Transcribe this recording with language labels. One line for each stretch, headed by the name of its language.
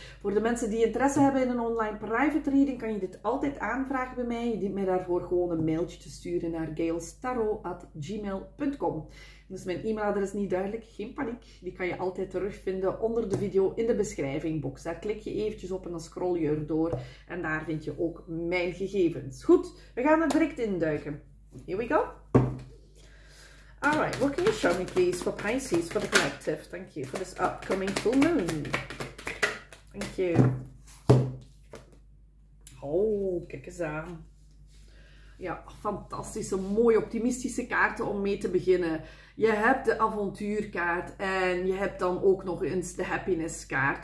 Dutch: Voor de mensen die interesse hebben in een online private reading, kan je dit altijd aanvragen bij mij. Je dient mij daarvoor gewoon een mailtje te sturen naar gailstarot@gmail.com. Dat is mijn e-mailadres niet duidelijk, geen paniek. Die kan je altijd terugvinden onder de video in de beschrijvingbox. Daar klik je eventjes op en dan scroll je erdoor. En daar vind je ook mijn gegevens. Goed, we gaan er direct induiken.
English: Here we go. Alright, what can you show me please for Pisces, for the collective? Thank you for this upcoming full moon. Thank you.
Dutch: Oh, kijk eens aan. Ja, fantastische, mooie, optimistische kaarten om mee te beginnen. Je hebt de avontuurkaart en je hebt dan ook nog eens de happinesskaart.